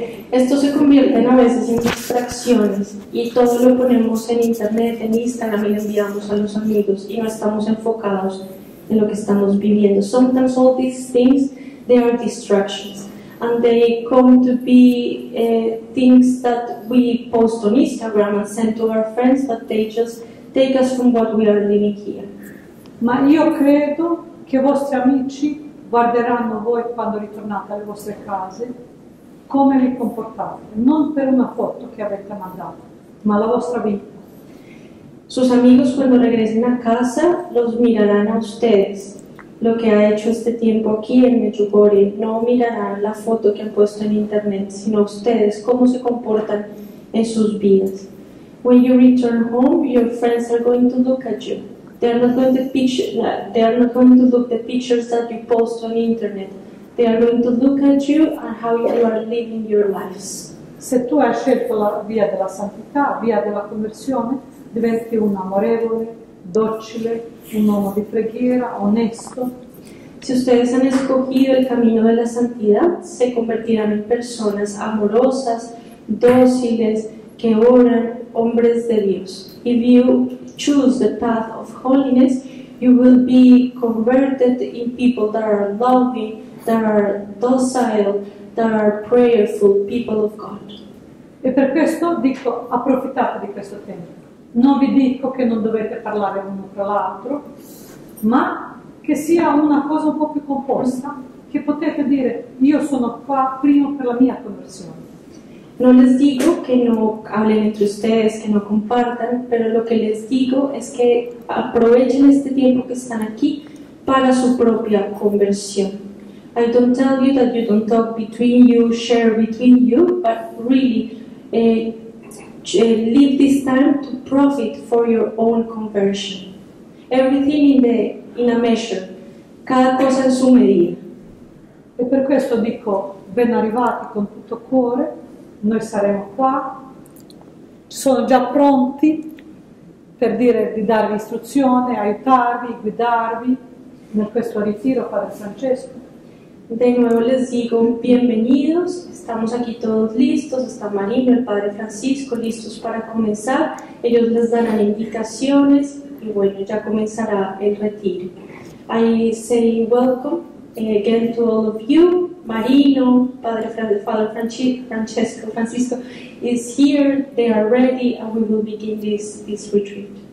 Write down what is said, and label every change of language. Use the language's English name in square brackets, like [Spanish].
[Spanish] Esto se convierte a veces en distracciones y todo lo ponemos en internet, en Instagram y lo enviamos a los amigos y no estamos enfocados en lo que estamos viviendo. [English] Sometimes all these things, they are distractions and they come to be things that we post on Instagram and send to our friends, but they just take us from what we are living here. [Italian] Ma io credo que vuestros amigos guarderanno voi quando ritornate alle vostre case, come vi comportate, non per una foto che avete mandato, ma la vostra vita. [Spanish] Sus amigos cuando regresen a casa los mirarán a ustedes, lo que ha hecho este tiempo aquí en Medjugorje, no mirarán la foto que han puesto en internet, sino ustedes, cómo se comportan en sus vidas. [English] When you return home, your friends are going to look at you. They are not going to look the pictures that you post on the internet. They are going to look at you and how you are living your lives. [Italian] Se tu hai scelto la via della santità, via della conversione, diventi un amorevole, docile, un uomo di preghiera, onesto. [Spanish] Si ustedes han escogido el camino de la santidad, se convertirán en personas amorosas, dóciles, que oran, hombres de Dios. [English] If you choose the path of holiness, you will be converted in people that are loving, that are docile, that are prayerful people of God. [Italian] E per questo dico, approfittate di questo tempo. Non vi dico che non dovete parlare l'uno tra l'altro, ma che sia una cosa un po' più composta, che potete dire, io sono qua primo per la mia conversione. [Spanish] No les digo que no hablen entre ustedes, que no compartan, pero lo que les digo es que aprovechen este tiempo que están aquí para su propia conversión. [English] I don't tell you that you don't talk between you, share between you, but really leave this time to profit for your own conversion. Everything in a measure. [Spanish] Cada cosa en su medida. [Italian] E per questo dico ben arrivati con tutto cuore. Noi saremo qua, sono già pronti per dire di darvi istruzione, aiutarvi, guidarvi in questo ritiro, Padre Francesco. [Spanish] De nuevo les digo bienvenidos, estamos aquí todos listos, está Marino, el Padre Francisco, listos para comenzar. Ellos les darán indicaciones y bueno, ya comenzará el retiro. [English] I say welcome again to all of you. Marino, Padre Francisco is here, they are ready and we will begin this retreat.